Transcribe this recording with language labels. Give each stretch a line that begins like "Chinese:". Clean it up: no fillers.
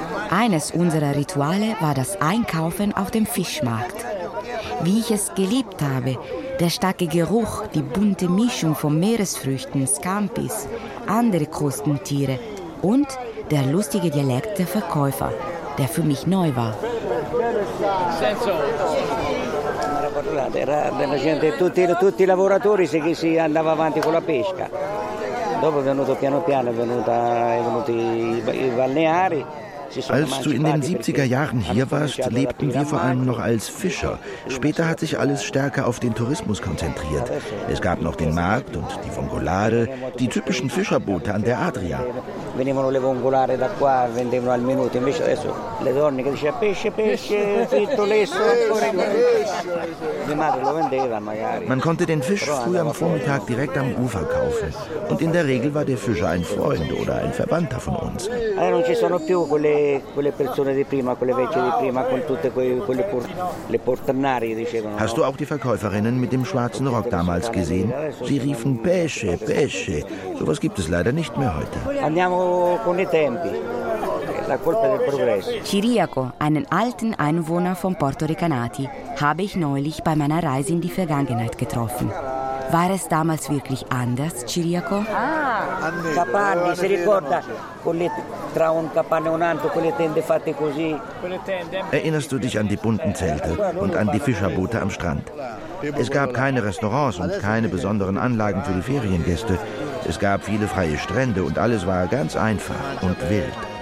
German: Eines unserer Rituale war das Einkaufen auf dem Fischmarkt. Wie ich es geliebt habe, der starke Geruch, die bunte Mischung von Meeresfrüchten, Scampis, andere Krustentiere und der lustige Dialekt der Verkäufer, der für mich neu war.
Italian: Tutti i lavoratori si andava avanti con la pesca. Dopo è venuto piano piano, venuti i balneari.
German: Als du in den 70er Jahren hier warst, lebten wir vor allem noch als Fischer. Später hat sich alles stärker auf den Tourismus konzentriert. Es gab noch den Markt und die Vongolade, die typischen Fischerboote an der Adria.
Italian: venivano le vongolare da qua, vendevano al minuto, invece adesso le donne che dicevano pesce, pesce, fritto, lesso, le madri lo vendevano magari.
German: Man konnte den Fisch früh am Vormittag direkt am Ufer kaufen und in der Regel war der Fischer ein Freund oder ein Verwandter von uns.
Italian: Allora non ci sono più quelle persone di prima, quelle vecchie di prima, con tutte quelle le portanari, dicevano.
German: Hast du auch die Verkäuferinnen mit dem schwarzen Rock damals gesehen? Sie riefen
Italian: pesce, pesce.
German: So was gibt es leider nicht mehr heute.
Italian: Andiamo con i tempi. La colpa del progresso.
German: Ciriaco, einen alten Einwohner von Porto Recanati, habe ich neulich bei meiner Reise in die Vergangenheit getroffen. War es damals wirklich anders, Ciriaco?
Italian: Ah, capanni, si ricorda, tra un capanne e un altro, quelle tende fatte così.
German: Erinnerst du dich an die bunten Zelte und an die Fischerboote am Strand? Es gab keine Restaurants und keine besonderen Anlagen für die Feriengäste. Es gab viele freie Strände und alles war ganz einfach und wild.